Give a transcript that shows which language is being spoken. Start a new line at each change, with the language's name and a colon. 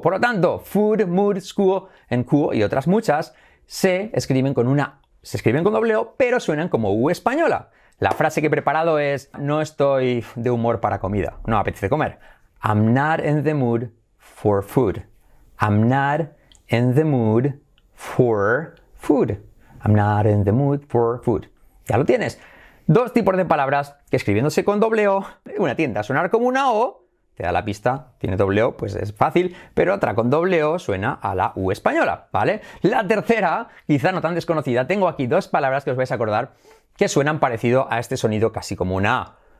Spanish: Por lo tanto, food, mood, school, en Kuo y otras muchas se escriben con una, se escriben con doble O, pero suenan como U española. La frase que he preparado es: no estoy de humor para comida. No me apetece comer.
English: I'm not in the mood for food. I'm not in the mood for food. I'm not in the mood for food.
Spanish: Ya lo tienes. Dos tipos de palabras que escribiéndose con doble O, una tiende a sonar como una O, te da la pista, tiene doble O, pues es fácil, pero otra con doble O suena a la U española, ¿vale? La tercera, quizá no tan desconocida, tengo aquí dos palabras que os vais a acordar que suenan parecido a este sonido casi como una A.